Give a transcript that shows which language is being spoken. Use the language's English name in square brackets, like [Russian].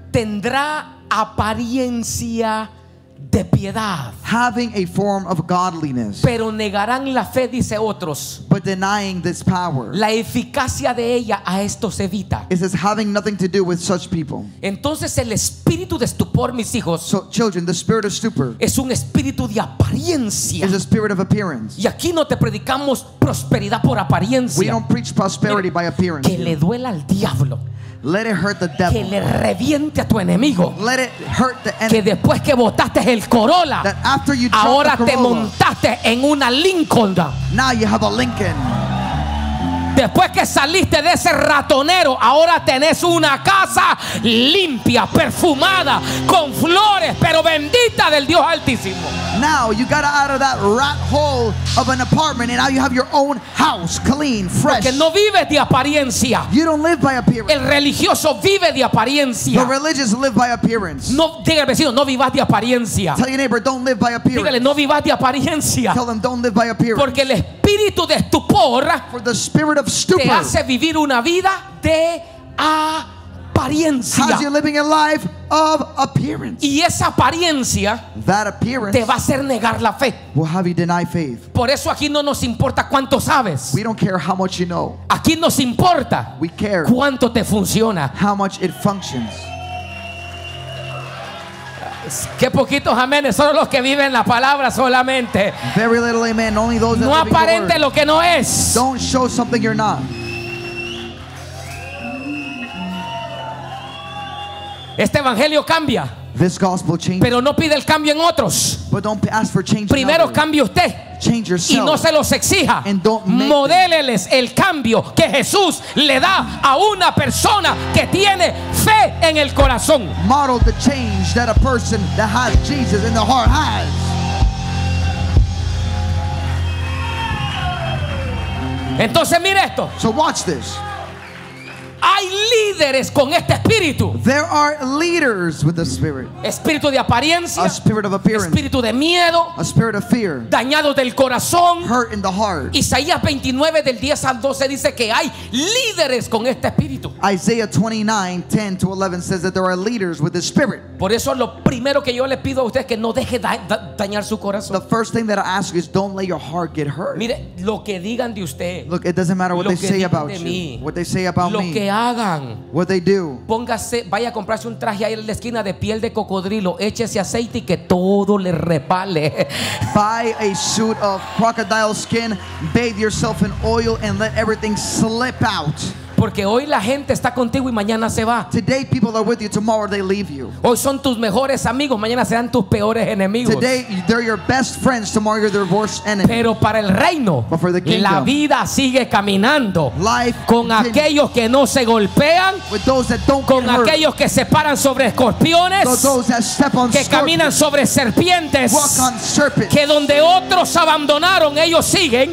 [Spanish] tendrá apariencia de piedad, [English] having a form of godliness, [Spanish] pero negarán la fe, dice otros, [English] but denying this power, [Spanish] la eficacia de ella a estos evita. [English] It says having nothing to do with such people. [Spanish] Entonces el espíritu de estupor, mis hijos, [English] so children, the spirit of stupor, [Spanish] es un espíritu de apariencia, [English] is a spirit of appearance. [Spanish] Y aquí no te predicamos prosperidad por apariencia. [English] We don't preach prosperity by appearance. [Spanish] Que le duela al diablo. [English] Let it hurt the devil. [Spanish] Que le reviente a tu enemigo. [English] Let it hurt the enemy. [Spanish] Que después que botaste el Corolla, [English] that after you [Spanish] ahora [English] the Corolla, [Spanish] te montaste en una Lincoln. [English] Now you have a Lincoln. [Spanish] Después que saliste de ese ratonero, ahora tenés una casa limpia, perfumada, con flores, pero bendita del Dios Altísimo. [English] Now you got out of that rat hole of an apartment and now you have your own house, clean, fresh. [Spanish] Porque no vives de apariencia. [English] You don't live by appearance. [Spanish] El religioso vive de apariencia. [English] The religious live by appearance. [Spanish] No, diga al vecino, no vivas de apariencia. [English] Tell your neighbor, don't live by appearance. [Spanish] Dígale, no vivas de apariencia. [English] Tell them, don't live by appearance. [Spanish] Porque el espíritu de estupor, [English] for the spirit of stupor, [Spanish] te hace vivir una vida de apariencia. [English] How's you living a life of appearance? [Spanish] Y esa apariencia, [English] that appearance, [Spanish] te va a hacer negar la fe. [English] Will have you deny faith. [Spanish] Por eso aquí no nos importa cuánto sabes. [English] We don't care how much you know. [Spanish] Aquí nos importa. [English] We care. [Spanish] Cuánto te funciona. [English] How much it functions. [Spanish] Qué poquitos amenes, solo los que viven la palabra solamente. [English] Very little amen, only those that [Spanish] no aparente lo que no es. [English] Don't show something you're not. [Spanish] Este evangelio cambia. [English] This gospel changes. [Spanish] Pero no pide el cambio en otros. [English] But don't ask for change. [Spanish] Primero cambie usted. [English] Change yourself. [Spanish] Y no se los exija. [English] And don't make [Spanish] modéleles [English] them. [Spanish] El cambio que Jesús le da a una persona que tiene fe en el corazón. [English] Model the change that a person that has Jesus in the heart has. [Spanish] Entonces mire esto. [English] So watch this. [Spanish] Hay líderes con este espíritu. [English] There are leaders with the spirit. [Spanish] Espíritu de apariencia. [English] A spirit of appearance. [Spanish] Espíritu de miedo. [English] A spirit of fear. [Spanish] Dañado del corazón. [English] Hurt in the heart. [Spanish] Isaías 29 del 10 al 12 dice que hay líderes con este espíritu. [English] Isaiah 29, 10 to 11 says that there are leaders with the spirit. [Spanish] Por eso lo primero que yo le pido a usted es que no deje dañar su corazón. [English] The first thing that I ask you is don't let your heart get hurt. [Spanish] Mire, lo que digan de usted. [English] Look, it doesn't matter what they say about [Spanish] mí, [English] you. What they say about [Spanish] lo [English] me. [Spanish] Que hagan. [English] What they do. [Spanish] Póngase, vaya a comprarse un traje ahí en la esquina de piel de cocodrilo, échese aceite y que todo le repale. [English] Buy a suit of crocodile skin, bathe yourself in oil and let everything slip out. [Spanish] Porque hoy la gente está contigo y mañana se va. [English] Today people are with you, tomorrow they leave you. [Spanish] Hoy son tus mejores amigos, mañana serán tus peores enemigos. [English] Today they're your best friends, tomorrow you're their worst enemy. [Spanish] Pero para el reino, [English] but for the kingdom, [Spanish] la vida sigue caminando. [English] Life [Spanish] con [English] continues. [Spanish] Aquellos que no se golpean, [English] with those that don't [Spanish] con aquellos [English] hurt. [Spanish] Que se paran sobre escorpiones, [English] those that step on [Spanish] que caminan sobre serpientes, [English] walk on serpents. [Spanish] Que donde otros abandonaron, ellos siguen.